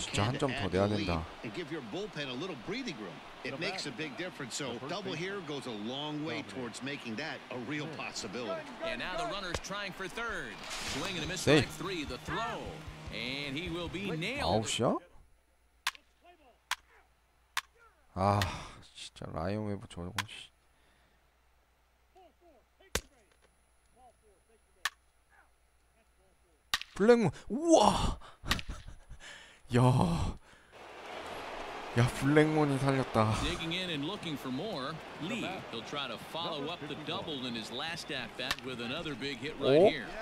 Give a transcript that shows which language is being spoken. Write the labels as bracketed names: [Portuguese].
[English] can to add the lead and give your bullpen a little breathing room. It makes a big difference. So double here goes a long way towards making that a real possibility. And now the runner's trying for third. Swing and a miss, strike three, the throw. And he will be nailed. [Korean] 아, 진짜 라이언 웨이브 저거. 블랙문 우와 야 블랙문이 살렸다. [English] Digging in and looking for more, Lee. He'll try to follow up the double in his last at bat with another big hit right here.